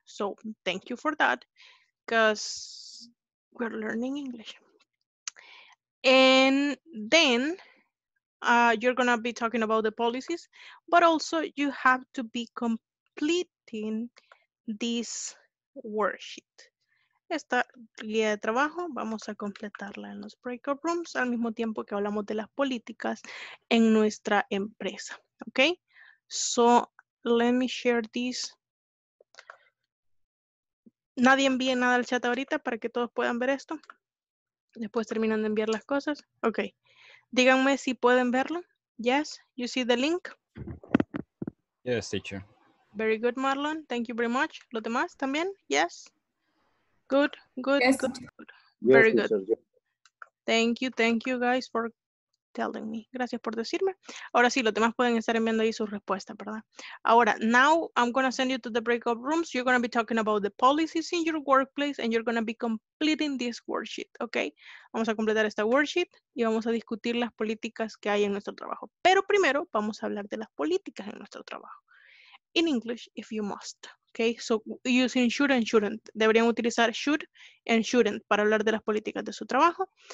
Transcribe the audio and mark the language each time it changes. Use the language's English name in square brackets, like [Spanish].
[English] So thank you for that, because we're learning English. And then you're going to be talking about the policies, but also you have to be completing this worksheet. [Spanish] Esta guía de trabajo vamos a completarla en los breakout rooms al mismo tiempo que hablamos de las políticas en nuestra empresa. [English] Ok, so let me share this. [Spanish] Nadie envíe nada al chat ahorita para que todos puedan ver esto. Después terminan de enviar las cosas. Ok, díganme si pueden verlo. [English] Yes, you see the link? Yes, teacher. Very good, Marlon. Thank you very much. [Spanish] ¿Los demás también? [English] Yes. Good, good, yes. Good. Very good. Thank you guys for telling me. [Spanish] Gracias por decirme. Ahora sí, los demás pueden estar enviando ahí sus respuestas, ¿verdad? [English] Ahora, now I'm going to send you to the breakout rooms. You're going to be talking about the policies in your workplace and you're going to be completing this worksheet, ¿ok? [Spanish] Vamos a completar esta worksheet y vamos a discutir las políticas que hay en nuestro trabajo. Pero primero vamos a hablar de las políticas en nuestro trabajo. [English] In English, if you must. Okay, so using should and shouldn't. [Spanish] Deberían utilizar should and shouldn't para hablar de las políticas de su trabajo.